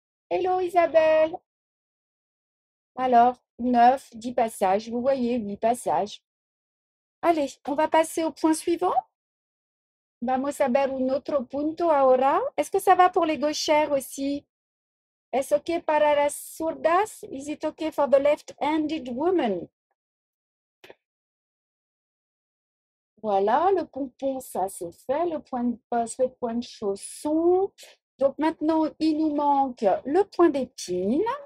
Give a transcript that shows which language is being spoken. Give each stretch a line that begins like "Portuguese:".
French: Hello Isabelle. Alors, 9, 10 passages, vous voyez, 8 passages. Allez, on va passer au point suivant.
Spanish: Vamos a ver un otro punto ahora.
French: Est-ce que ça va pour les gauchères aussi?
Spanish: Es ok para las zurdas?
English: Is it ok for the left-handed woman?
French: Voilà, le pompon, ça c'est fait, le point de poste, le point de chausson. Donc maintenant, il nous manque le point d'épine.